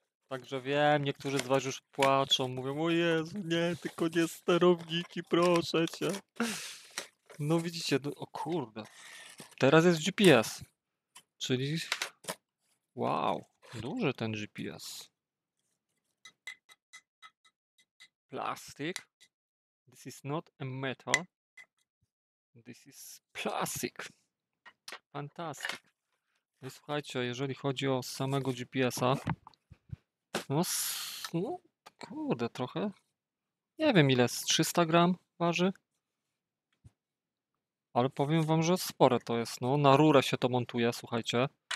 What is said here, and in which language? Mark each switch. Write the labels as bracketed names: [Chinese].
[Polish] Także wiem, niektórzy z was już płaczą, mówią, o Jezu, nie, tylko nie sterowniki, proszę cię. No widzicie, no, o kurde, teraz jest GPS, czyli wow, duży ten GPS. [English] Plastic, this is not a metal, this is plastic, fantastic. [Polish] No i słuchajcie, jeżeli chodzi o samego GPS-a, No, kurde, trochę. Nie wiem, ile jest, 300 gram waży. Ale powiem wam, że spore to jest. No, na rurę się to montuje, słuchajcie.